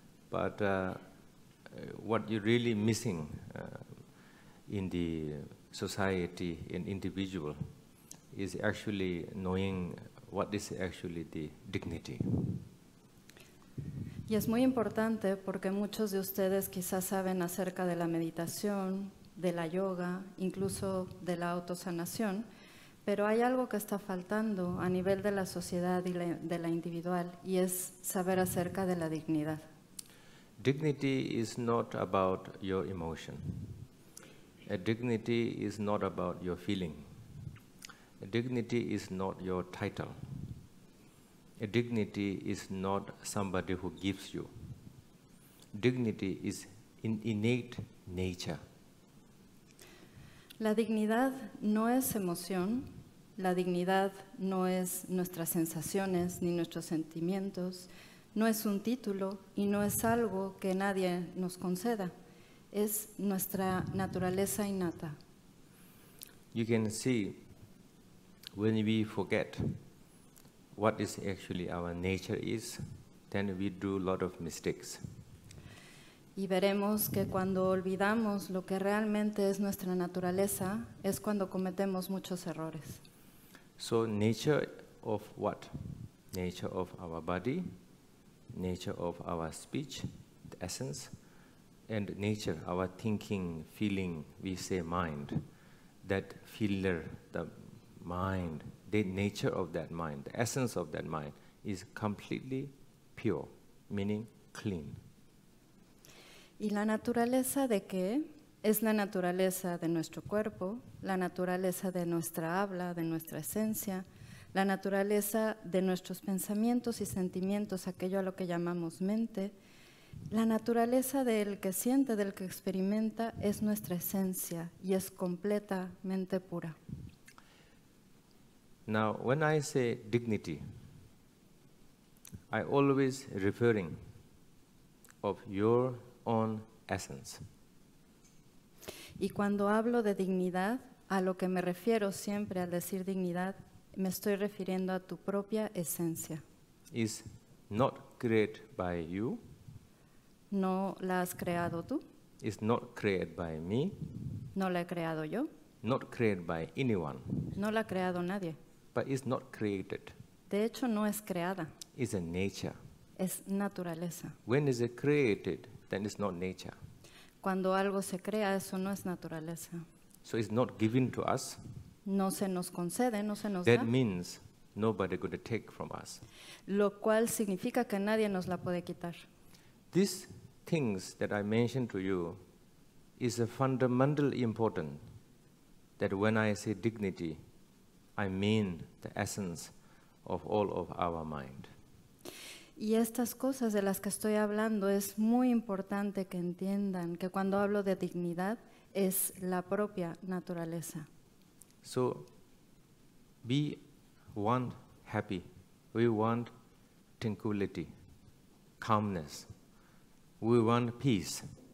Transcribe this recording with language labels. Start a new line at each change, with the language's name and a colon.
English: But what you're really missing in the society, in individual, is actually knowing what is actually the dignity.
Spanish: Y es muy importante porque muchos de ustedes quizás saben acerca de la meditación, de la yoga, incluso de la autosanación, pero hay algo que está faltando a nivel de la sociedad y de la individual, y es saber acerca de la dignidad.
English: Dignity is not about your emotion. A dignity is not about your feeling. A dignity is not your title. A dignity is not somebody who gives you. Dignity is in innate nature.
Spanish: La dignidad no es emoción. La dignidad no es nuestras sensaciones ni nuestros sentimientos. No es un título y no es algo que nadie nos conceda. Es nuestra naturaleza innata.
English: You can see when we forget what is actually our nature is, then we do a lot of mistakes.
Spanish: Y veremos que cuando olvidamos lo que realmente es nuestra naturaleza, es cuando cometemos muchos errores.
English: So nature of what? Nature of our body, nature of our speech, the essence, and nature, our thinking, feeling, we say mind, that filler, the mind, the nature of that mind, the essence of that mind, is completely pure, meaning clean.
Spanish: ¿Y la naturaleza de qué? Es la naturaleza de nuestro cuerpo, la naturaleza de nuestra habla, de nuestra esencia, la naturaleza de nuestros pensamientos y sentimientos, aquello a lo que llamamos mente. La naturaleza del que siente, del que experimenta, es nuestra esencia y es completamente pura.
English: Now, when I say dignity, I always referring of your own essence.
Spanish: Y cuando hablo de dignidad, a lo que me refiero siempre al decir dignidad, me estoy refiriendo a tu propia esencia.
English: Is not created by you.
Spanish: No la has creado tú.
English: Is not created by me.
Spanish: No la he creado yo.
English: Not created by anyone.
Spanish: No la ha creado nadie.
English: But it's not created.
Spanish: De hecho, no es creada.
English: It's a nature.
Spanish: Es naturaleza.
English: When is it created, then it's not nature.
Spanish: Cuando algo se crea, eso no es naturaleza.
English: So it's not given to us.
Spanish: No se nos concede, no se nos
English: that
Spanish: da.
English: That means nobody could take from us.
Spanish: Lo cual significa que nadie nos la puede quitar.
English: These things that I mentioned to you is a fundamental important that when I say dignity, I mean the essence of all of our mind.
Spanish: Y estas cosas de las que estoy hablando es muy importante que entiendan que cuando hablo de dignidad es la propia naturaleza.
English: So we want happy, we want tranquility, calmness, we want peace.